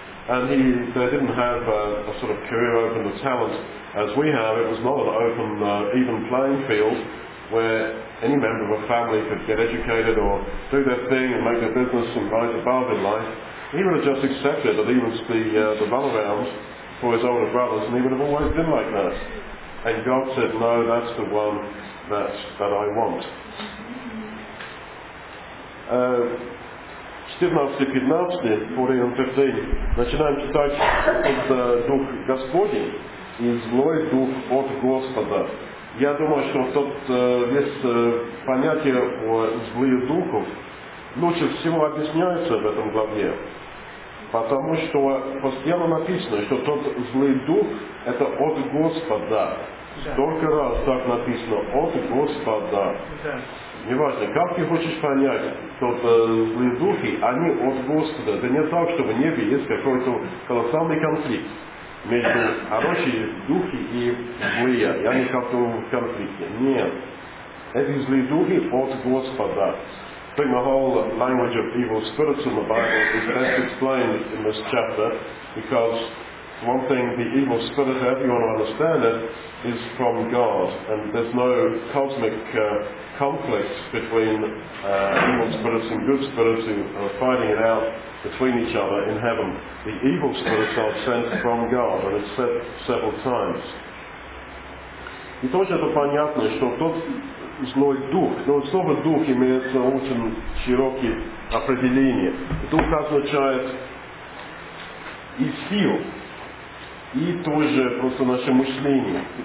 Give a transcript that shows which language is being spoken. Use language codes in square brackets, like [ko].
[en] And they didn't have a sort of career open to talent as we have. It was not an open, even playing field where any member of a family could get educated or do their thing and make their business and rise above in life. He would have just accepted that he was the runaround for his older brothers, and he would have always been like that. And God said, no, that's the one that I want. [ru] 14-15, 14-15, начинаем читать этот Дух Господень и злой Дух от Господа. Я думаю, что тут есть понятие о злых духах лучше всего объясняется в этом главе. Потому что постоянно написано, что тот злый дух – это от Господа. Столько раз так написано «от Господа». Неважно, как ты хочешь понять, что злые духи, они от Господа. Это не так, что в небе есть какой-то колоссальный конфликт между хорошими духи и злые. Я не хочу в конфликте. Нет. Эти злые духи от Господа. [en] I think the whole language of evil spirits in the Bible is best explained in this chapter, because one thing, the evil spirit, however you want to understand it, is from God, and there's no cosmic conflict between evil spirits and good spirits who are fighting it out between each other in heaven. The evil spirits are sent from God, and it's said several times. [ru] И тоже это понятно, что тот злой дух, но слово «дух» имеется очень широкое определение. Дух означает и силу, и тоже просто наше мышление.